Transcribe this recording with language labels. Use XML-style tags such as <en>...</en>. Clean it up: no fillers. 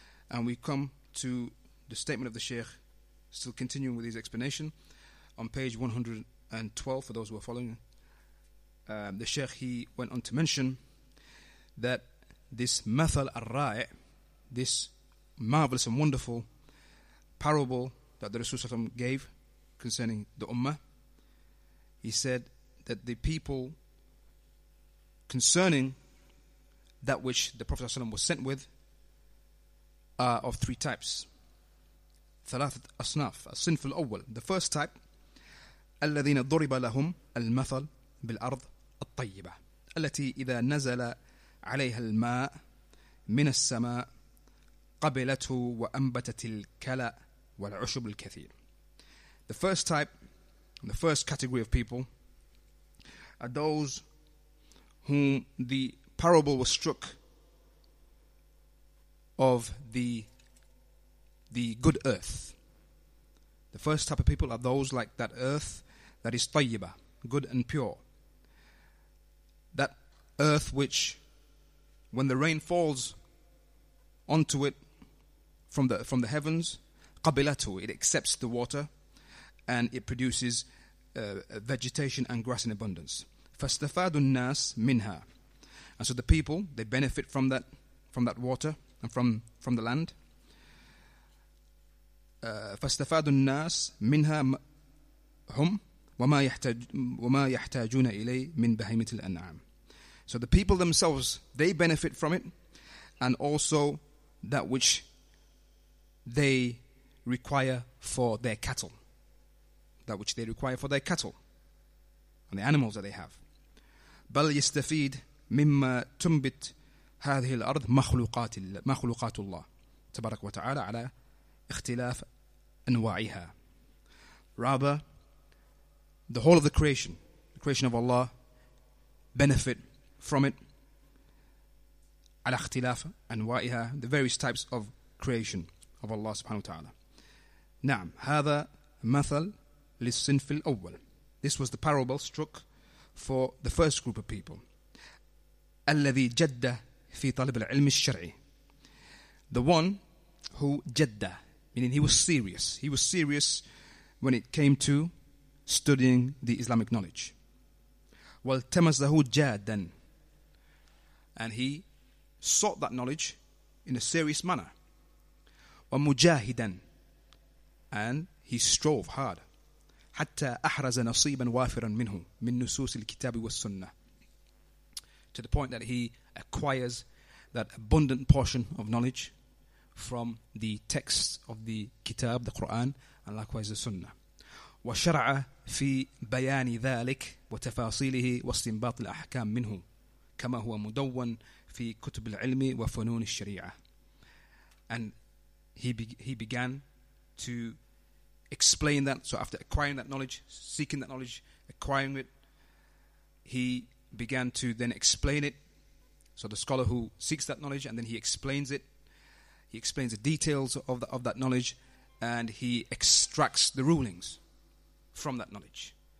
<en>And we come to the statement of the Shaykh, still continuing with his explanation, on page 112, for those who are following, the Shaykh, he went on to mention that this mathal ar-ra'i, this marvelous and wonderful parable that the Rasulullah gave concerning the Ummah, he said that the people concerning that which the Prophet was sent with are of three types.</en> <ar>ثلاثة أصناف الصنف الأول.</ar> <en>The first type,</en> <ar>الذين ضرب لهم المثل بالأرض الطيبة التي إذا نزل عليها الماء من السماء قبلته وأنبتت الكلى والعشب الكثير.</ar> <en>The first type, the first category of people, are those whom the parable was struck of the good earth. The first type of people are those like that earth that is tayyibah, good and pure. That earth which, when the rain falls onto it from the heavens, qabilatu, it accepts the water and it produces vegetation and grass in abundance. Fastafadu an-nas minha. And so the people, they benefit from that water and from the land.</en> <ar>فاستفاد الناس منها هم وما يحتاجون إليه من بهيمة الأنعام.</ar> <en>So the people themselves, they benefit from it, and also that which they require for their cattle. That which they require for their cattle and the animals that they have.</en> <ar>بل يستفيد مما تنبت هذه الأرض مخلوقات الله تبارك وتعالى على اختلاف أنواعها.</ar> <en>Rather, the whole of the creation of Allah, benefit from it</en> <ar>على اختلاف أنواعها,</ar> <en>the various types of creation of Allah subhanahu wa ta'ala.</en> <ar>نعم, هذا مثل للصنف الأول.</ar> <en>This was the parable struck for the first group of people.</en> <ar>الذي جد في طلب العلم الشرعي.</ar> <en>The one who جد, meaning he was serious. He was serious when it came to studying the Islamic knowledge.</en> <ar>والتمزه جادا.</ar> <en>And he sought that knowledge in a serious manner.</en> <ar>ومجاهدا.</ar> <en>And he strove hard.</en> <ar>حتى أحرز نصيبا وافرا منه من نصوص الكتاب والسنة.</ar> <en>To the point that he acquires that abundant portion of knowledge from the texts of the Kitab, the Quran, and likewise the Sunnah.</en> <ar>وشرع في بيان ذلك وتفاصيله واستنباط الأحكام منه كما هو مدون في كتب العلم وفنون الشريعة.</ar> <en>And he began to explain that. So after acquiring that knowledge, seeking that knowledge, acquiring it, he began to then explain it. So the scholar who seeks that knowledge and then he explains it, he explains the details of that knowledge, and he extracts the rulings from that knowledge.</en>